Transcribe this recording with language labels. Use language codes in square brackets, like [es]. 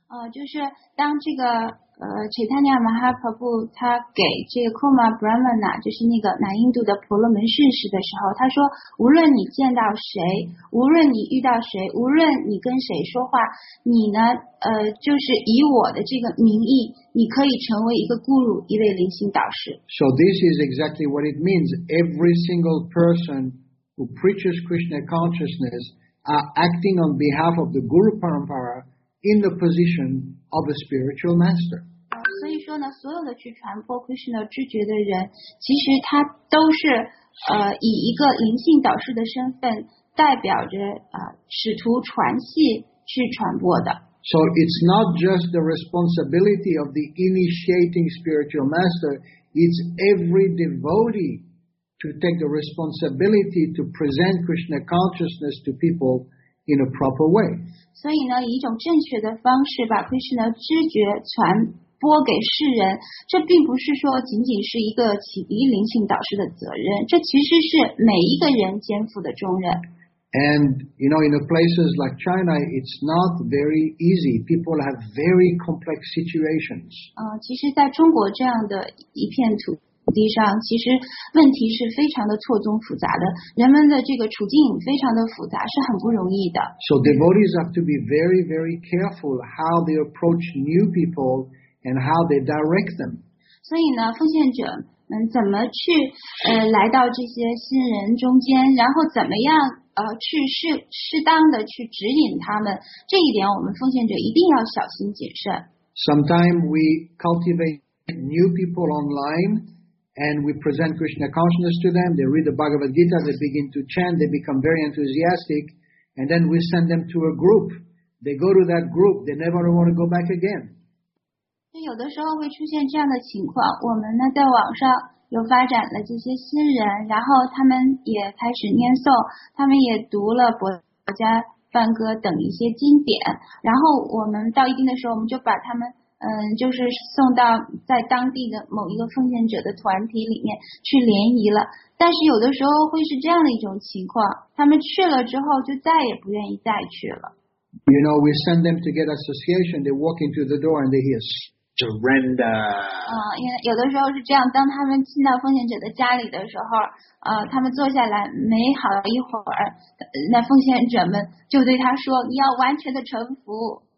[zh] 就是当这个Chaitanya Mahaprabhu 他给这个 Koma Brahmana 就是那个南印度的婆罗门世时的时候，他说无论你见到谁，无论你遇到谁，无论你跟谁说话，你呢就是以我的这个名义，你可以成为一个咕噜，一位灵性导师。 [en] So this is exactly what it means. Every single person who preaches Krishna consciousness are acting on behalf of the Guru Parampara in the positionof a spiritual master. [zh] 所以说呢，所有的去传播 Krishna 知觉的人，其实他都是以一个灵性导师的身份，代表着使徒传系去传播的。 [en] So it's not just the responsibility of the initiating spiritual master, it's every devotee to take the responsibility to present Krishna consciousness to people. In a proper way. [zh] 所以呢，以一种正确的方式把 Krishna 知觉传播给世人，这并不是说仅仅是一个启迪灵性导师的责任，这其实是每一个人肩负的重任。 [en] And you know, in the places like China, it's not very easy. People have very complex situations. [zh] 其实在中国这样的一片土地上，其实问题是非常的错综复杂的，人们的这个处境非常的复杂，是很不容易的。 [en] So devotees have to be very, very careful how they approach new people and how they direct them. [zh] 所以呢，奉献者们怎么去来到这些新人中间，然后怎么样去适当的去指引他们，这一点我们奉献者一定要小心谨慎。 [en] Sometimes we cultivate new people online. And we present Krishna consciousness to them. They read the Bhagavad Gita. They begin to chant. They become very enthusiastic. And then we send them to a group. They go to that group. They never want to go back again. [zh] 有的时候会出现这样的情况。我们呢在网上有发展了这些新人，然后他们也开始念诵，他们也读了博家梵歌等一些经典。然后我们到一定的时候，我们就把他们。就是送到在当地的某一个奉献者的团体里面去联谊了，但是有的时候会是这样的一种情况，他们去了之后就再也不愿意再去了。 [en] You know, we send them to get association, they walk into the door and they hear surrender. [zh] 有的时候是这样，当他们进到奉献者的家里的时候，他们坐下来没好一会儿，那奉献者们就对他说，你要完全的臣服。